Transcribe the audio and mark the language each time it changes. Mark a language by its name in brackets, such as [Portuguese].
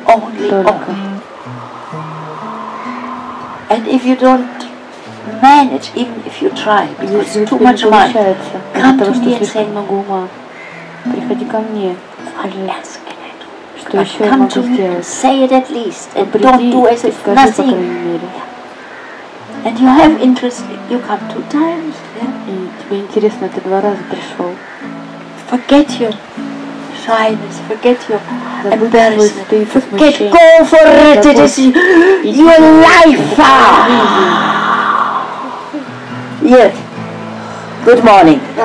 [English] And if you don't manage, even if you try, because it's too much mind, come to me and say, what else can I do? [Russian] Что еще я могу сделать? [English] Say it at least, and don't do as if nothing. And you have interest, you come two times. [Russian] И тебе интересно, ты два раза пришел. [English] Forget you. Shyness, forget your embarrassment, forget, go for it, it is your life! Yes, good morning.